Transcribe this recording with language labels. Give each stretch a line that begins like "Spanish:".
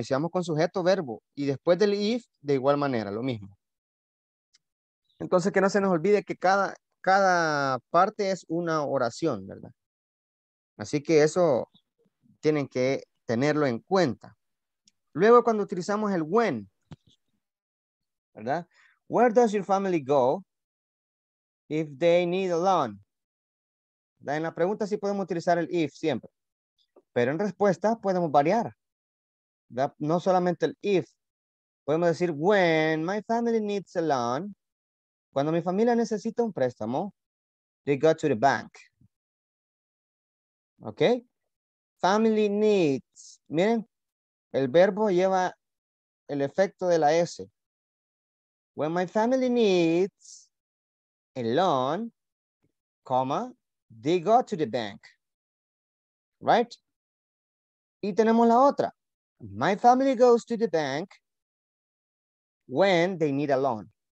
Spanish: Iniciamos con sujeto, verbo. Y después del if, de igual manera, lo mismo. Entonces, que no se nos olvide que cada parte es una oración, ¿verdad? Así que eso tienen que tenerlo en cuenta. Luego, cuando utilizamos el when, ¿verdad?
English: Where does your family go if they need a loan?
Spanish: ¿Verdad? En la pregunta sí podemos utilizar el if siempre. Pero en respuesta podemos variar, ¿verdad? No solamente el if. Podemos decir,
English: when my family needs a loan,
Spanish: cuando mi familia necesita un préstamo,
English: they go to the bank. ¿Ok? Family needs.
Spanish: Miren, el verbo lleva el efecto de la S.
English: When my family needs a loan, comma, they go to the bank. Right?
Spanish: Y tenemos la otra.
English: My family goes to the bank when they need a loan.